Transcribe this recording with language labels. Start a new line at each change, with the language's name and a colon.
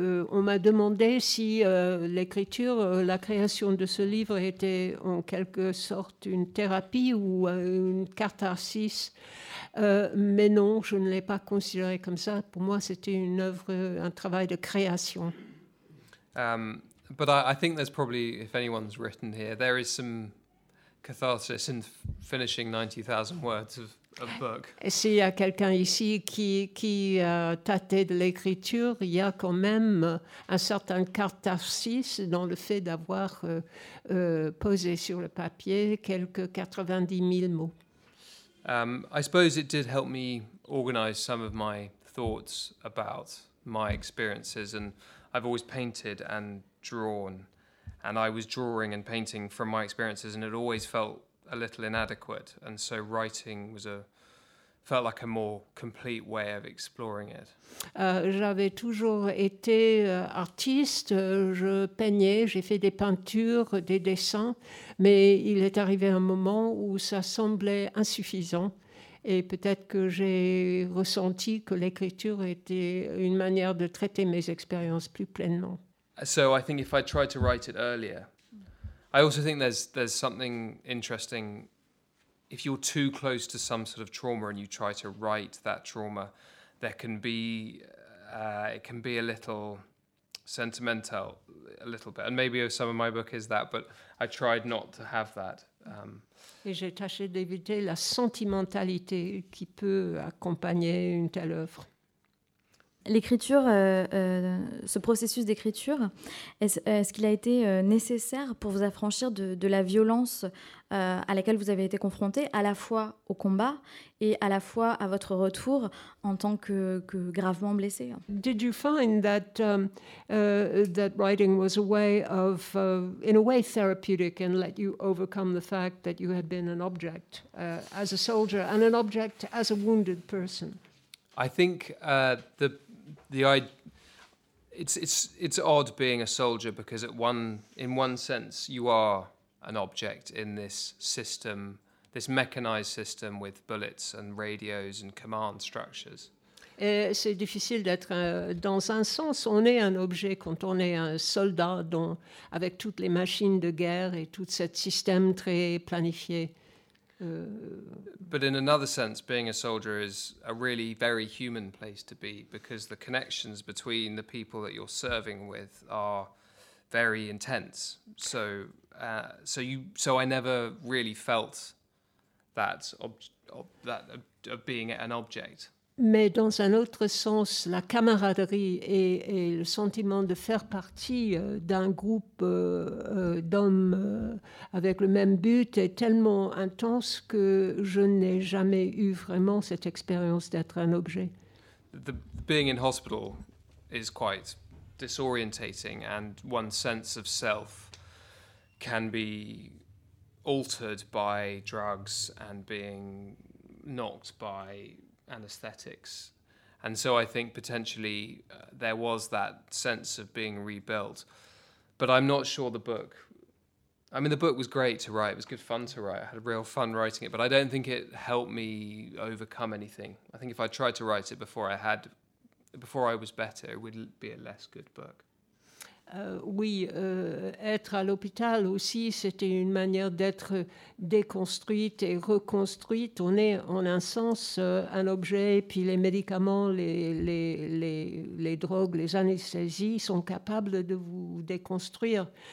French: On m'a demandé si l'écriture, la création de ce livre était en quelque sorte une thérapie ou une catharsis. Mais non, je ne l'ai pas considéré comme ça. Pour moi, c'était une œuvre, un travail de création.
English: But I think there's probably, if anyone's written here, there is some catharsis in finishing 90,000 words of book.
French: S'il y a quelqu'un ici qui a tâté de l'écriture, il y a quand même un certain catharsis dans le fait d'avoir posé sur le papier quelques 90 000 mots.
English: I suppose it did help me organize some of my thoughts about my experiences, and I've always painted and drawn, and I was drawing and painting from my experiences, and it always felt a little inadequate, and so writing was felt like a more complete way of exploring it.
French: J'avais toujours été artiste, je peignais, j'ai fait des peintures, des dessins, mais il est arrivé un moment où ça semblait insuffisant, et peut-être que j'ai ressenti que l'écriture était une manière de traiter mes expériences plus pleinement.
English: So I think if I tried to write it earlier, I also think there's something interesting. If you're too close to some sort of trauma and you try to write that trauma, there can be it can be a little sentimental, a little bit. And maybe some of my book is that, but I tried not to have that.
French: Et j'ai tâché d'éviter la sentimentalité qui peut accompagner une telle œuvre. L'écriture, ce processus d'écriture, est-ce qu'il a été nécessaire pour vous affranchir de la violence à laquelle vous avez été confrontée, à la fois au combat et à la fois à votre retour en tant que gravement blessée?
English: Did you find that that writing was a way of, in a way, therapeutic and let you overcome the fact that you had been an object as a soldier and an object as a wounded person? I think the it's odd being a soldier because in one sense you are an object in this system, this mechanized system with bullets and radios and command structures.
French: Et c'est difficile d'être dans un sens. On est un objet quand on est un soldat dont, avec toutes les machines de guerre et tout ce système très planifié.
English: But in another sense, being a soldier is a really very human place to be because the connections between the people that you're serving with are very intense. So I never really felt that of being an object.
French: Mais dans un autre sens, la camaraderie et le sentiment de faire partie d'un groupe d'hommes avec le même but est tellement intense que je n'ai jamais eu vraiment cette expérience d'être un objet.
English: Being in hospital is quite disorientating and one's sense of self can be altered by drugs and being knocked by anesthetics, and so I think potentially there was that sense of being rebuilt, but I'm not sure the book, I mean the book was great to write, it was good fun to write, I had real fun writing it, but I don't think it helped me overcome anything. I think if I tried to write it before I was better, it would be a less good book.
French: Être à l'hôpital aussi, c'était une manière d'être déconstruite et reconstruite. On est, en un sens, un objet, puis les médicaments, les drogues, les anesthésies sont capables de vous déconstruire.